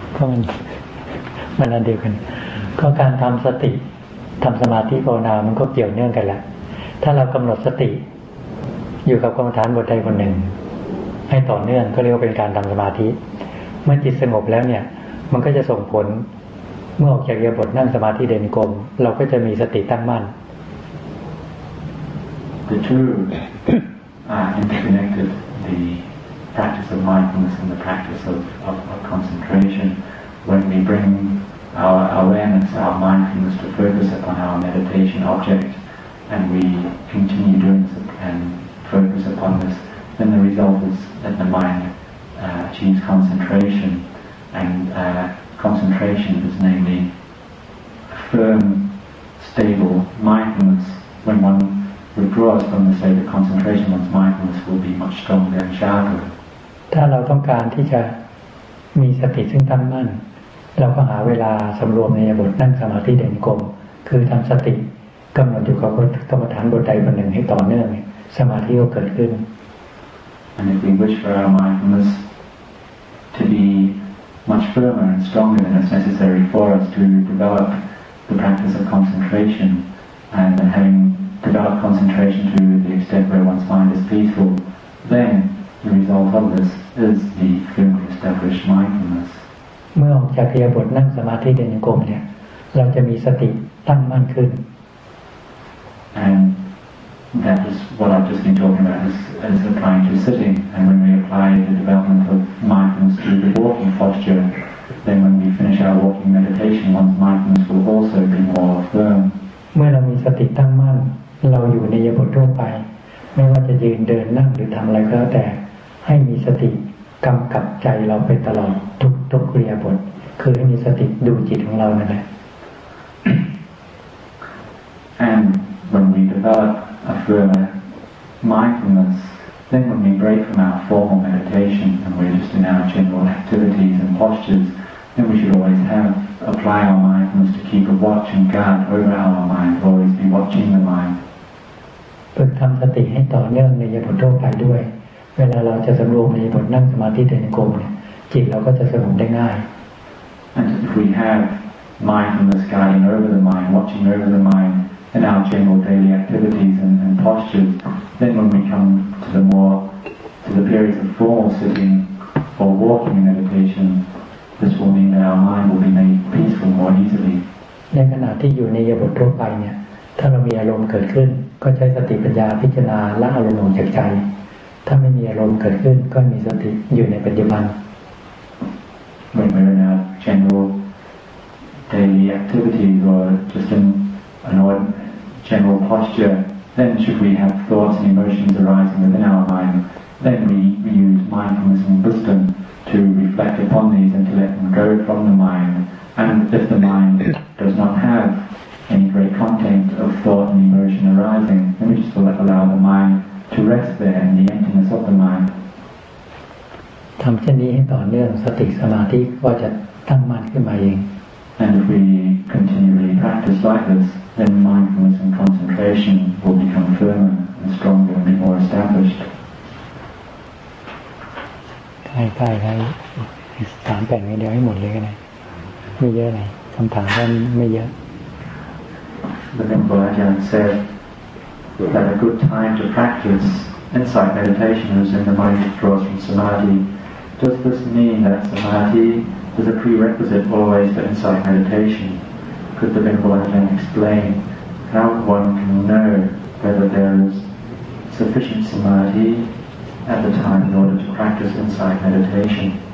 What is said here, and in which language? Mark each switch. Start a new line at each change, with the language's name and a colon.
Thai: ก็มันอันเดียวกันก็การทำสติทำสมาธิภาวนามันก็เกี่ยวเนื่องกันแหละถ้าเรากำหนดสติอยู่กับกรรมฐานบทใดบทหนึ่งให้ต่อเนื่องก็เรียกว่าเป็นการทำสมาธิเมื่อจิตสงบแล้วเนี่ยมันก็จะส่งผลเมื่อออกจากเรียบทนั่งสมาธิเดินกลมเราก็จะมีสติตั้งมั่น
English: The two are interconnected, the practice of mindfulness and the practice of concentration. When we bring our awareness, our mindfulness to focus upon our meditation object, and we continue doing this and focus upon this, then the result is that the mind achieves concentration andConcentration is namely a firm, stable mindfulness. When one withdraws from the state of concentration, one's mindfulness will be much stronger and sharper.
Thai: ถ้าเราต้องการที่จะมีสติซึ่งตั้งมั่นเราก็หาเวลาสำรวมในบทนั่งสมาธิเด่นกลมคือทำสติกำหนดอยู่กับกรรมฐานบทใดบทหนึ่งให้ต่อเนื่องสมาธิก็เกิดขึ้น
English: And if we wish for our mindfulness to beMuch firmer and stronger than is necessary for us to develop the practice of concentration, and having developed concentration to the extent where one's mind is peaceful, then the result of this is the firmly established mindfulness.
Thai: เมื่อออกจากเรียบทนั่งสมาธิเดินกลมเนี่ยเราจะมีสติตั้งมั่นขึ้น
English: And that is what I've just been talking about is applying to sitting. And when we apply the development of mindfulness to the walking posture, then when we finish our walking meditation, one's mindfulness will also be more firm.
Thai: เมื่อเรามีสติตั้งมั่นเราอยู่ในยบทั่วไปไม่ว่าจะยืนเดินนั่งหรือทำอะไรก็แล้วแต่ให้มีสติกำกับใจเราไปตลอดทุกเรียบทคือให้มีสติดูจิตของเรานั่นแหละ
English: And when we develop a firmer mindfulness, then when we break from our formal meditation and we're just in our general activities and postures, then we should always apply our mindfulness to keep a watch and guard over our mind, always be watching the mind.
Thai: ฝึกทำสติให้ต่อเนื่องในยบทั่วไปด้วยเวลาเราจะสำรวมในยบทนั่งสมาธิเดินโกมเนี่ยจิตเราก็จะสงบได้ง่าย
English: And if we have mindfulness guiding over the mind, watching over the mind in our general daily activities and postures, then when we come to the periods of formal sitting or walking in meditation, this will mean that our mind will be made peaceful more easily.
Thai: ในขณะที่อยู่ในยบทั่วไปเนี่ยถ้าเรามีอารมณ์เกิดขึ้นก็ใช้สติปัญญาพิจารณาละอารมณ์ออกจากใจถ้าไม่มีอารมณ์เกิดขึ้นก็มีสติอยู่ในปัจจุบัน
English: When we're in our general daily activities or just in an ordinary general posture, then should we have thoughts and emotions arising within our mind, then we use mindfulness and wisdom to reflect upon these and to let them go from the mind. And if the mind does not have any great content of thought and emotion arising, then we just allow the mind to rest there in the emptiness of the mind.
Thai: ทำเช่นนี้ให้ต่อเนื่องสติสมาธิก็จะตั้งมั่นขึ้นมาเอง
English: And if we continually practice like this, then mindfulness and concentration will become firmer and stronger and be more established.
Thai: ใกล้ให้3แผ่นเดียวให้หมดเลยก็ได้ไม่เยอะหน่อยคำถามก็ไม่เยอะ
English: The Lenpo Ajahn said that a good time to practice insight meditation is when the mind withdraws from samadhiDoes this mean that samadhi is a prerequisite always for insight meditation? Could the Venerable Ajahn explain how one can know whether there is sufficient samadhi at the time in order to practice insight meditation?